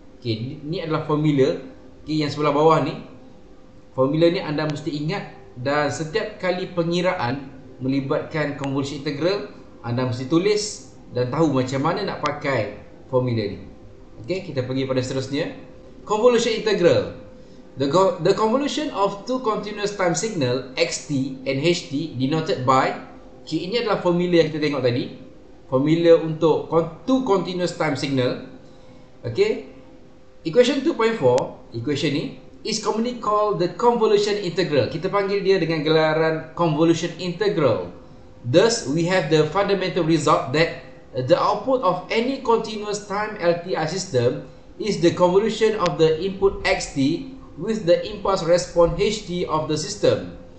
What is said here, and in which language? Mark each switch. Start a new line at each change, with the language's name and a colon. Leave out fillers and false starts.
Malay: Okey, ni adalah formula. Okey, yang sebelah bawah ni formula ni anda mesti ingat, dan setiap kali pengiraan melibatkan convolution integral anda mesti tulis dan tahu macam mana nak pakai formula ni. Okey, kita pergi pada seterusnya.
English: Convolution integral. The convolution of two continuous time signal xt and ht denoted by
Malay: ini adalah formula yang kita tengok tadi, formula untuk
English: two continuous time signal. Okay, equation 2.4, equation ni is commonly called the convolution integral.
Malay: Kita panggil dia dengan gelaran convolution integral.
English: Thus, we have the fundamental result that the output of any continuous time LTI system is the convolution of the input xt with the impulse response ht of the system.